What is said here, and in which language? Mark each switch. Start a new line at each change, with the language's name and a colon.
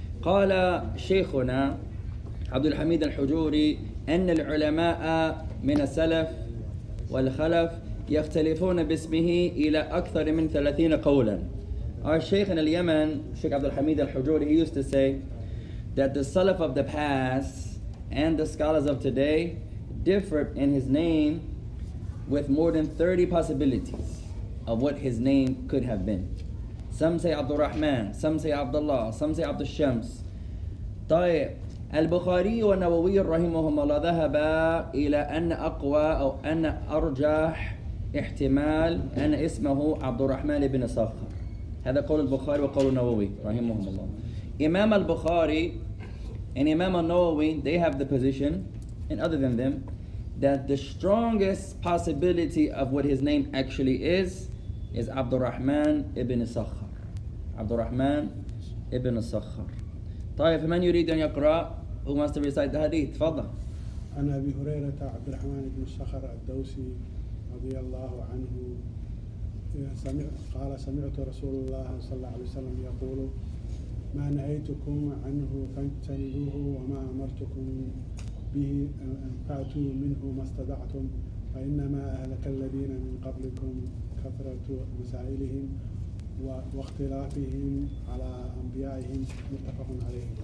Arabic: قال شيخنا عبد الحميد الحجوري أن العلماء من السلف والخلف يختلفون باسمه إلى أكثر من 30 قولا.
English: Our Sheikh in Yemen, Sheikh Abdul Hamid al-Hujuri, he used to say that the Salaf of the past and the scholars of today differed in his name with more than 30 possibilities of what his name could have been. Some say Abdul Rahman, some say Abdullah, some say Abdul Shams.
Arabic: طيب البخاري والنووي رحمهم الله ذهبا إلى أن أقوى أو أن أرجح احتمال أن اسمه عبد الرحمن بن صخر. هذا قول البخاري وقول النووي رحمهم الله.
English: إمام البخاري and Imam al-Nawawi, they have the position, and other than them, that the strongest possibility of what his name actually is Abdul Rahman ibn Sakhar.
Arabic: Abdul Rahman ibn Sakhar. طيب من يريد أن يقرأ?
English: Who wants to recite the hadith?
Arabic: تفضل. أنا أبي هريرة عبد الرحمن بن صخر الدوسي رضي الله عنه قال سمعت رسول الله صلى الله عليه وسلم يقول ما نهيتكم عنه فانتهوه وما أمرتكم به فأتوا منه ما استطعتم فإنما أهلك الذين من قبلكم كثرة مسائلهم واختلافهم على أنبيائهم متفق عليه.